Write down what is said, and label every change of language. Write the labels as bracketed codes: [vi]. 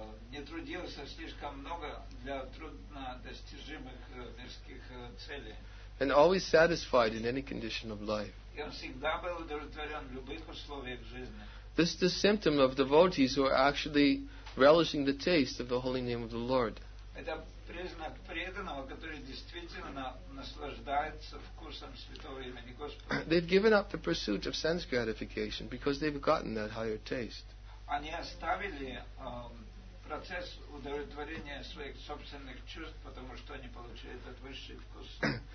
[ru] не трудился слишком много для труднодостижимых мирских целей. [en] And always satisfied in any condition of life. [ru] И он всегда был удовлетворен в любых условиях жизни. [en] This is the symptom of devotees who are actually relishing the taste of the holy name of the Lord. [ru] Это признак преданного, который действительно наслаждается вкусом святого имени Господа. [en] They've given up the pursuit of sense gratification because they've gotten that higher taste. [ru] Они оставили процесс удовлетворения своих собственных чувств, потому что они получили этот высший вкус.